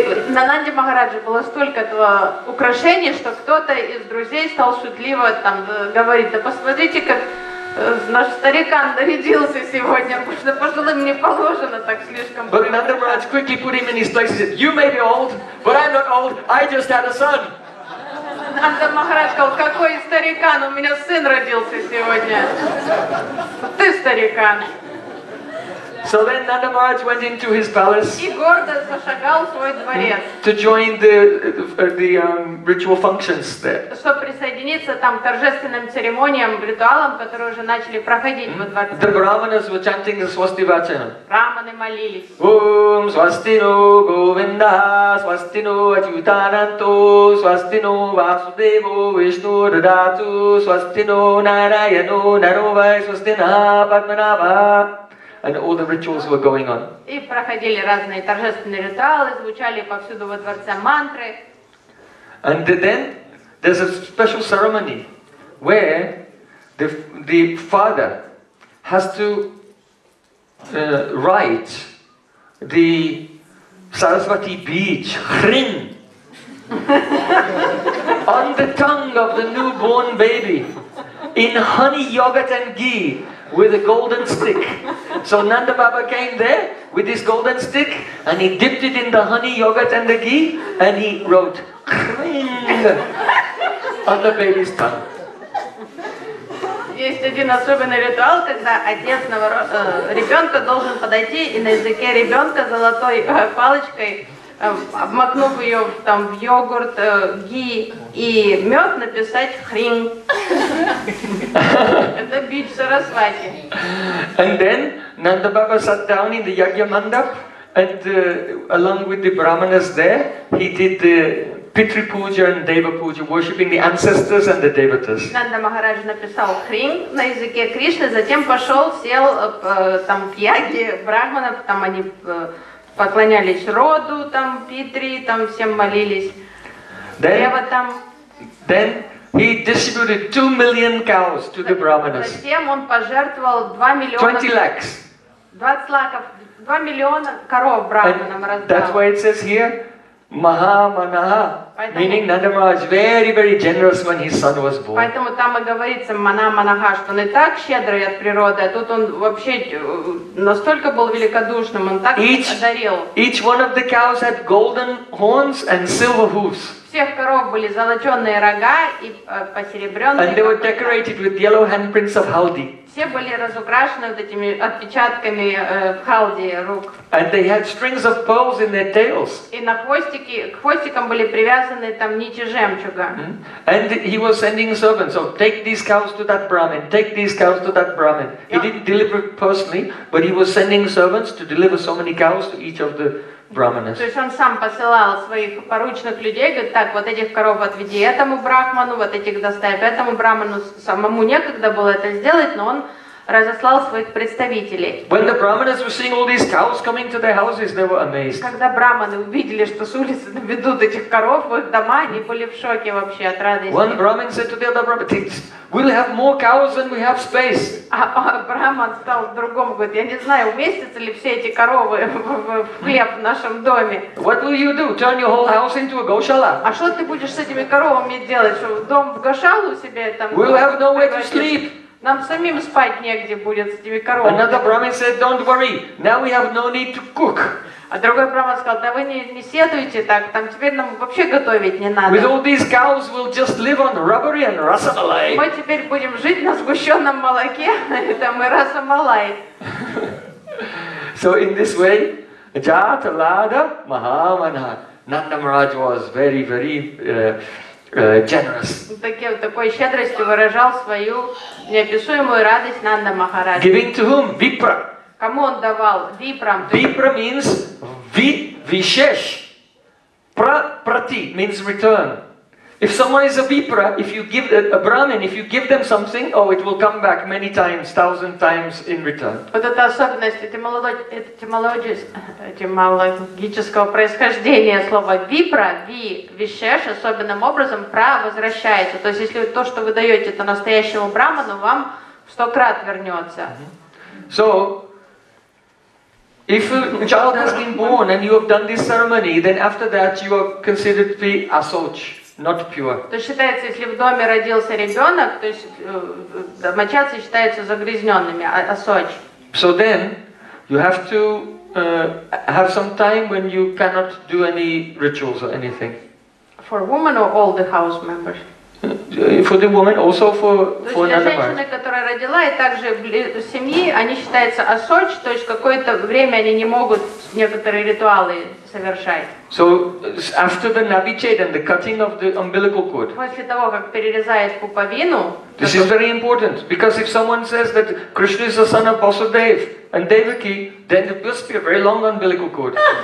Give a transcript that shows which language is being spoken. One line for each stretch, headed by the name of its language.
Russian: На Нанде Махарадже было столько этого украшения, что кто-то из друзей стал шутливо там говорить, да посмотрите, как наш старикан нарядился сегодня, потому пожилым не положено так слишком.
English: But Nanda Maharaj quickly put him in his place. He said, "You may be old, but I'm not old. I just had a son."
Russian: Нанда Махарадж сказал, какой старикан, у меня сын родился сегодня. Ты старикан.
English: So then Nanda Maharaj went into his palace.
Russian: И гордо зашагал в свой дворец.
English: To join the ritual functions there.
Russian: Чтобы присоединиться там к торжественным церемониям, ритуалам, которые уже начали проходить во дворце.
English: The brahmanas were chanting the swasti vachana.
Russian: Браманы молились.
Sanskrit: Ом свастино Говинда, свастино Ачютананто, свастино Васудево Вишну Дадату, свастино Нараяно Наровай, свастино Падманава.
English: And all the rituals were going on.
Russian: И проходили разные торжественные ритуалы, звучали повсюду во дворце мантры.
English: And then there's a special ceremony where the father has to write the Saraswati Beej, Hrin, on the tongue of the newborn baby in honey, yogurt and ghee with a golden stick. So Nanda Baba came there with his golden stick and he dipped it in the honey, yogurt and the ghee and he wrote Hrin on the baby's tongue.
Russian: Есть один особенный ритуал, когда отец ребенка должен подойти и на языке ребенка золотой палочкой, обмакнув ее там в йогурт, ги и мед, написать хрин. Это бич Сарасвати.
English: And then Nanda Baba sat down in the Yajna Mandap, and along with the brahmanas there, he did the Pitri Puja and Deva Puja, worshipping the ancestors and the Devatas.
Russian: Nanda Maharaj написал хрин на языке Кришны, затем пошел, сел там в яге брахманов, там они поклонялись роду, там Питри, там всем молились.
English: Деватам. Then he distributed 2 million cows to the brahmanas.
Russian: Затем он пожертвовал 2 миллиона.
English: 20 lakhs.
Russian: 20 лакхов, 2 миллиона коров брахманам раздал.
English: That's why it says here. Maha Manaha, поэтому, meaning Nanda Maharaj, very, very generous when his son was born.
Russian: Поэтому там и говорится Мана Манаха, что он и так щедрый от природы, а тут он вообще настолько был великодушным, он так одарил.
English: Each one of the cows had golden horns and silver hooves.
Russian: Всех коров были золоченые рога и посеребренные.
English: And they were decorated with yellow handprints of Haldi.
Russian: Все были разукрашены вот этими отпечатками халди рук.
English: And they had strings of pearls in their tails.
Russian: И на хвостики, к хвостикам были привязаны там нити жемчуга. Mm-hmm.
English: And he was sending servants, so take these cows to that Brahmin, take these cows to that Brahmin. He didn't deliver personally, but he was sending servants to deliver so many cows to each of the brahmanas.
Russian: То есть он сам посылал своих поручных людей, говорит, так, вот этих коров отведи этому брахману, вот этих доставь этому брахману. Самому некогда было это сделать, но он разослал своих представителей.
English: When the brahmanas were seeing all these cows coming to their houses, they were amazed.
Russian: Когда брахманы увидели, что с улицы ведут этих коров в их дома, они были в шоке вообще от радости.
English: One brahmin said to the other brahmin, we'll have more cows than we have space.
Russian: А брахман стал другому, говорит, я не знаю, уместятся ли все эти коровы в хлеб в нашем доме.
English: What will you do? Turn your whole house into a гошала?
Russian: А что ты будешь с этими коровами делать? Что, дом в гошалу себе там?
English: We'll have nowhere to sleep.
Russian: Нам самим спать негде будет с этими коровами.
English: Another brahmin said, "Don't worry. Now we have no need to cook."
Russian: А другой брахман сказал: "Да вы не седуйте так. Там теперь нам вообще готовить не надо."
English: With all these cows, we'll just live on rubbery and rasamalai.
Russian: Мы теперь будем жить на сгущенном молоке, там и расамалай.
English: So in this way, Jata Lada Mahamana Nanda Maharaj was very, very generous.
Russian: Такой щедростью выражал свою неописуемую радость Нанда Махарадж.
English: Giving to whom? Vipra.
Russian: Кому он давал? Випрам.
English: Випра means вишеш. Прати means return. If someone is a випра, if you give a brahmin, if you give them something, oh, it will come back many times, thousand times in return.
Russian: Вот эта особенность этимологического происхождения слова випра, вишеш, особенным образом пра возвращается. То есть если то, что вы даете, это настоящему брахману, вам 100 крат вернется.
English: So if a child has been born and you have done this ceremony, then after that you are considered to be asoch, not pure.
Russian: То считается, если в доме родился ребенок, то есть домочадцы считаются загрязненными, асоч.
English: So then you have to have some time when you cannot do any rituals or anything. For women or all the house members? For the woman, also for another
Russian: То есть для женщины, которая родила, и также в семье, они считаются асоч, то есть какое-то время они не могут некоторые ритуалы совершать.
English: So after the navicheda and the cutting of the umbilical cord.
Russian: После того, как перерезают пуповину.
English: This is very important because if someone says that Krishna is the son of Vasudev and Devaki, then it must be a very long umbilical cord.